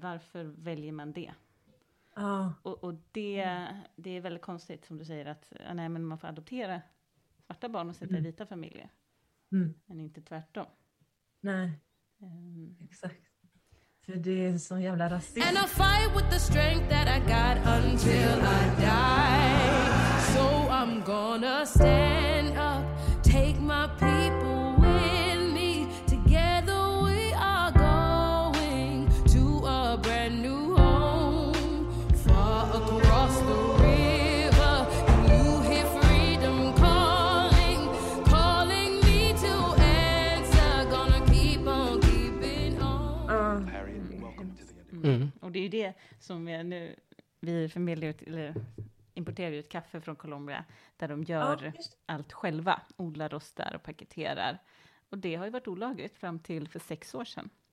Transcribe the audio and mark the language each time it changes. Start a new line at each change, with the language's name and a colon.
Swedish: Varför väljer man det? Och det är väldigt konstigt som du säger, att nej, men man får adoptera svarta barn och sätta i vita familjer. Men inte tvärtom. Nej, exakt. För det är så jävla rasism.
English: And I'll fight with the strength that I got until I die. So I'm gonna stand up, take my people with me. Together we are going to a brand new home. Far across the river, can you hear freedom calling? Calling me to answer, gonna keep on keeping on. Harriet, welcome to the
Swedish: Och det är det som vi familjer importerar ju ett kaffe från Colombia där de gör allt själva. Odlar, rostar och paketerar. Och det har ju varit olagligt fram till för 6 år sedan.